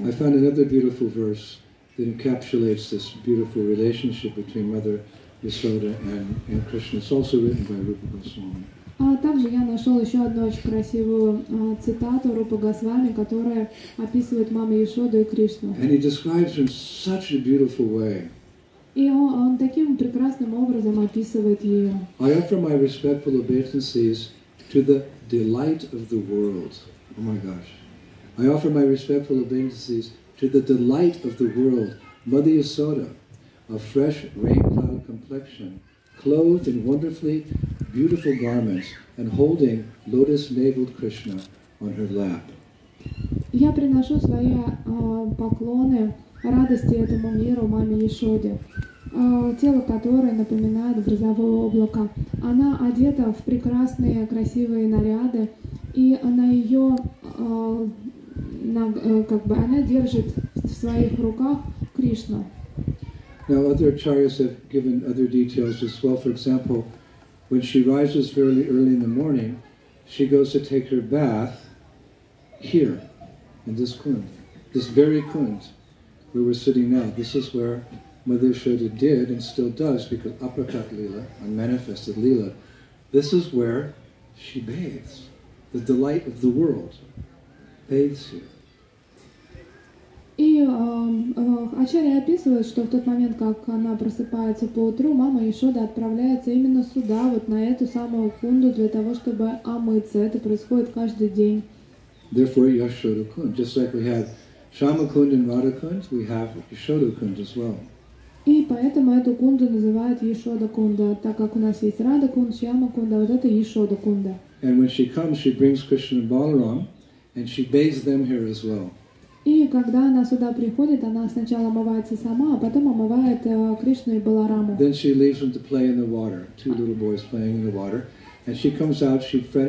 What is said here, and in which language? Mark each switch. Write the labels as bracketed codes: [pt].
[en] I found another beautiful verse that encapsulates this beautiful relationship between Mother Yasoda and Krishna. It's also written by Rupa Goswami. [ru] А также я нашел еще одну очень красивую цитату Рупа Госвами, которая описывает маму Яшоду и Кришну. [en] And he describes her in such a beautiful way. [ru] И он таким прекрасным образом описывает ее. [en] I offer my respectful obeisances to the delight of the world. Oh my gosh. I offer my respectful obeisances to the delight of the world, Mother Yasoda, a fresh rain cloud complexion, clothed in wonderfully beautiful garments and holding lotus-navled Krishna on her lap. [ru] Я приношу свои поклоны радости этому миру, маме Яшоде. Тело, которое напоминает грозовое облако. Она одета в прекрасные, красивые наряды, и она ее, она держит в своих руках Кришну. [en] Now other acharyas have given other details as well. For example, when she rises very early in the morning, she goes to take her bath here in this kund, this very kund where we're sitting now. This is where Mother Yasoda did and still does, because Aprakat Lila, unmanifested Lila, this is where she bathes. The delight of the world bathes here. [ru] И Ачарья описывает, что в тот момент, как она просыпается поутру, мама Яшода отправляется именно сюда, вот на эту самую кунду, для того, чтобы омыться. Это происходит каждый день. [en] Therefore, Yashoda Kund. Just like we had Shama Kund and Radha Kund, we have Yashoda Kund as well. [ru] И поэтому эту кунду называют Яшода-кунда, так как у нас есть Радха-кунда, Шьяма-кунда, вот это Яшода-кунда. [en] And when she comes, she brings Krishna and Balaram, and she bathes them here as well. [ru] И когда она сюда приходит, она сначала омывается сама, а потом омывает Кришну и Балараму. [en] Then she leaves them to play in the water, two little boys playing in the water, and she comes out, she